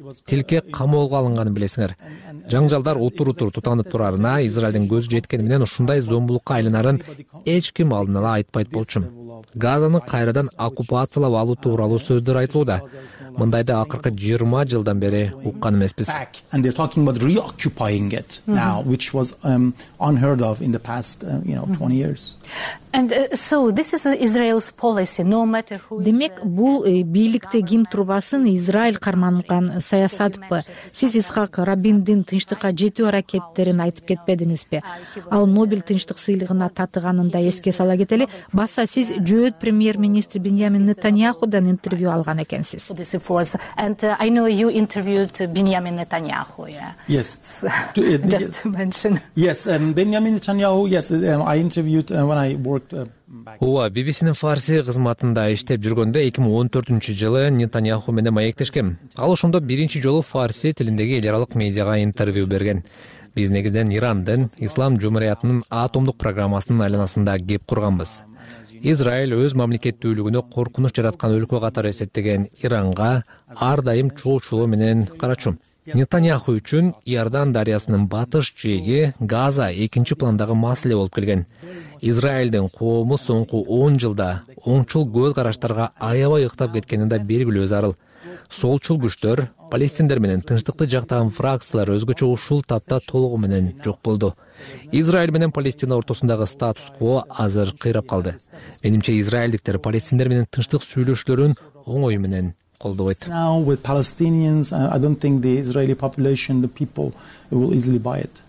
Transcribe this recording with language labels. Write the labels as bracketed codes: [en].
[ky] Тилке камоолго алынганын билесиңер. Жаңжалдар утур-утур тутанып турарына, Израилдин көз жеткени менен ушундай зомбулукка айланарын эч ким алдын ала айтпайт болчу. Газаны кайрадан оккупациялап алуу тууралуу сөздөр айтылууда. Мындайды акыркы 20 жылдан бери уккан эмеспиз. [en] And they're talking about reoccupying it now, which was unheard of in the past, you know, 20 years. And so this is Israel's policy, no matter who. [ky] Демек, бул бийликте ким турбасын, Израиль карманган саясатпы? Сиз Исхак Рабиндин тынчтыкка жетүү аракеттерин айтып кетпедиңизби? Ал Нобель тынчтык сыйлыгына татыганын да эске сала кетели. Баса, сиз жөөт премьер-министр Биньямин Нетаньяхудан интервью алган экенсиз. [en] And I know you interviewed Биньямин Нетаньяху, yeah. Yes. Just to mention. Yes, Биньямин Нетаньяху, yes, I interviewed when I worked [ky] Ооба, BBC'nin фарси кызматында иштеп жүргөндө 2014-жылы Нетаньяху менен маектешкем. Ал ошондо биринчи жолу фарси тилиндеги эл аралык медиага интервью берген. Биз негизинен Ирандын Ислам Жумхуриятынын атомдук программасынын айланасында кеп курганбыз. Израиль өз мамлекеттүүлүгүнө коркунуч жараткан өлкө катары эсептеген Иранга ар дайым чоочулоо менен карачум. Нетаньяху үчүн Иордан дарыясынын батыш жээги Газа экинчи пландагы маселе болуп келген. Израилдин коому соңку 10 жылда оңчул көз караштарга аябай ыктап кеткени да белгилүү зарыл. Солчул күчтөр Палестиндер менен тынчтыкты жактаган фракциялар өзгөчө ушул тапта толугу менен жок болду. Израиль менен Палестина ортосундагы статус-кво азыр кыйрап калды. Менимче израилдиктер палестиндер менен тынчтык сүйлөшүүлөрүн оңой менен колдобойт. [en] Now with Palestinians, I don't think the Israeli population, the people will easily buy it.